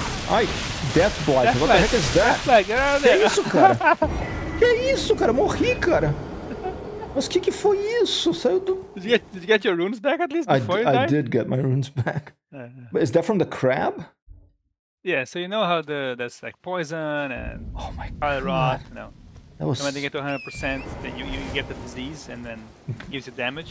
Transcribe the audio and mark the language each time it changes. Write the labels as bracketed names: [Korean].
[English] Ai, Death Blight, what the heck is that? Death Blight, get out of there. [Portuguese] Que isso, cara? Que isso, cara? Morri, cara! Mas que foi isso? Saiu do... [English] Did you get your runes back at least before you died? I did get my runes back. But is that from the crab? Yeah, so you know how that's like poison and... Oh my god. Rot, you know. That was... When they get to 100%, then you get the disease and then gives you damage.